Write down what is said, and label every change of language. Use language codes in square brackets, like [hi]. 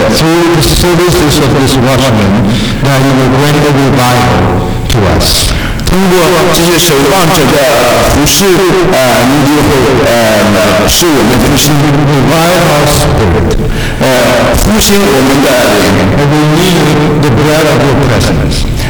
[en] Through the services of this watchman, that you will bring the revival to us. [zh] 通过这些守望者的服事，你就会使我们的心 [en] ，revive our spirit. [zh] 复兴我们的灵。 [en] And we need the bread of your presence.